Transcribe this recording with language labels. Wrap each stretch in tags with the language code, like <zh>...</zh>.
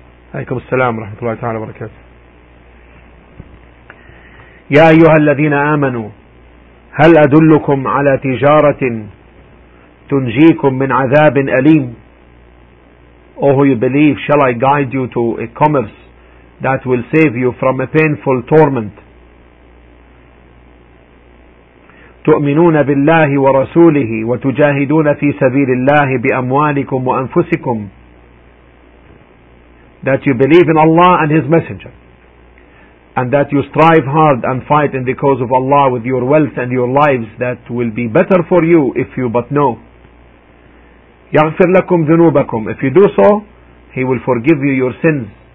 <ar>عليكم السلام ورحمة الله تعالى وبركاته. يا أيها الذين آمنوا هل أدلكم على تجارة تنجيكم من عذاب أليم.</ar> <en>Oh, who you believe, shall I guide you to a commerce that will save you from a painful torment.</en> <ar>تؤمنون بالله ورسوله وتجاهدون في سبيل الله بأموالكم وأنفسكم.</ar> <en>That you believe in Allah and His Messenger, and that you strive hard and fight in the cause of Allah with your wealth and your lives, that will be better for you if you but know.</en> <ar>يَغْفِرْ لَكُمْ ذُنُوبَكُمْ.</ar> <en>If you do so, He will forgive you your sins.</en>